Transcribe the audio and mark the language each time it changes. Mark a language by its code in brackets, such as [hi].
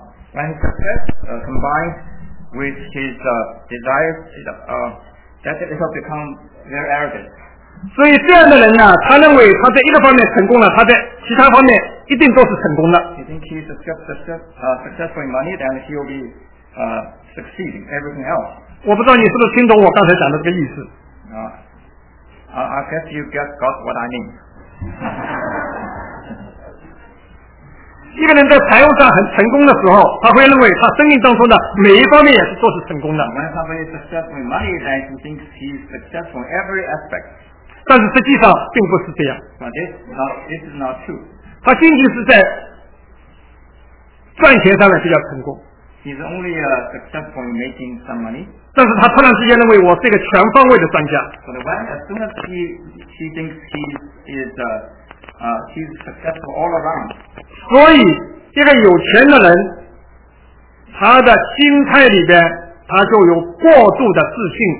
[en] When his success combined with his desires, that it has become very arrogant. [zh] 所以这样的人呢，他认为他在一个方面成功了，他在其他方面一定都是成功的。 [en] You think he is successful in money, then he will be succeed in everything else. [zh] 我不知道你是不是听懂我刚才讲的这个意思。 [en] I guess you just got what I mean. [zh] 一个人在财务上很成功的时候，他会认为他生命当中的每一方面也是都是成功的。 [en] When somebody is successful in money, then he thinks he is successful in every aspect. [zh] 但是实际上并不是这样。 [en] This is not true. [zh] 他仅仅是在赚钱上面比较成功。 [en] He's only successful in making some money. [zh] 但是他突然之间认为我是一个全方位的专家。 [en] But when as soon as he thinks he is he's successful all around. [zh] 所以这个有钱的人，他的心态里边他就有过度的自信。